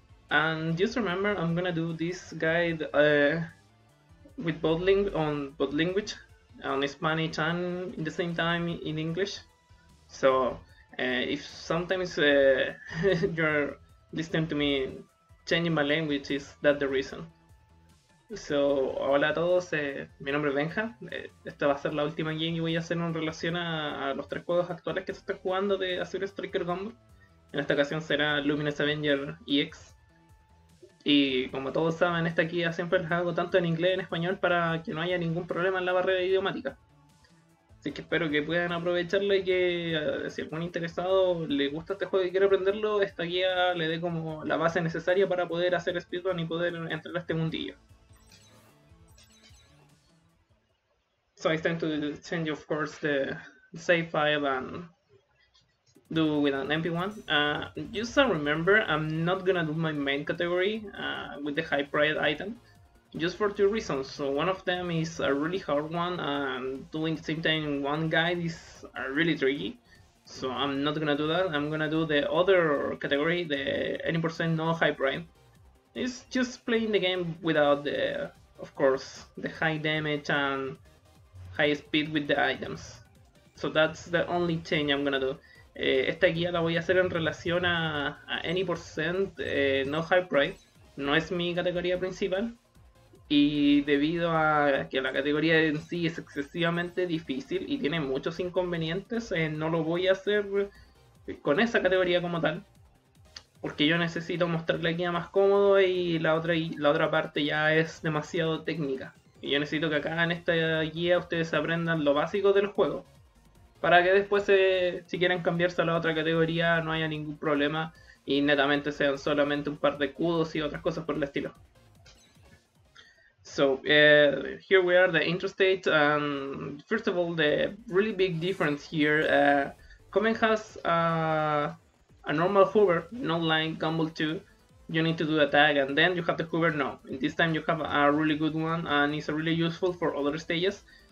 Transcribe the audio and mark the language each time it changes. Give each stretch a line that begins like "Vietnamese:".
English: And just remember, I'm gonna do this guide with both language, on Spanish and in the same time in English. So, if sometimes you're listening to me changing my language, is that the reason?
Spanish: So, hola a todos, mi nombre es Benja. Esta va a ser la última game y voy a hacer en relación a los tres juegos actuales que se están jugando de Azure Striker Gumball. En esta ocasión será Luminous Avenger EX. Y como todos saben, esta guía siempre la hago tanto en inglés como en español para que no haya ningún problema en la barrera idiomática. Así que espero que puedan aprovecharlo y que si algún interesado le gusta este juego y quiere aprenderlo, esta guía le dé como la base necesaria para poder hacer speedrun y poder entrar a este mundillo.
English: So I tend to change, of course, the save file and do with an MP1. Just so remember, I'm not gonna do my main category with the high priority item. Just for two reasons. So one of them is a really hard one, and doing the same thing in one guide is really tricky. So I'm not gonna do that. I'm gonna do the other category, the any percent no hybrid. It's just playing the game without the, of course, the high damage and high speed with the items. So that's the only change I'm gonna do.
Spanish: Esta guía la voy a hacer en relación a any percent no hybrid. No es mi categoría principal. Y debido a que la categoría en sí es excesivamente difícil y tiene muchos inconvenientes, no lo voy a hacer con esa categoría como tal, porque yo necesito mostrar la guía más cómodo y la otra parte ya es demasiado técnica. Y yo necesito que acá en esta guía ustedes aprendan lo básico del juego, para que después si quieren cambiarse a la otra categoría no haya ningún problema y netamente sean solamente un par de cudos y otras cosas por el estilo.
English: So, here we are, the intro stage, and first of all, the really big difference here, Comen has a normal hover, not like Gumball 2, you need to do a tag, and then you have the hover, no, this time you have a really good one, and it's really useful for other stages.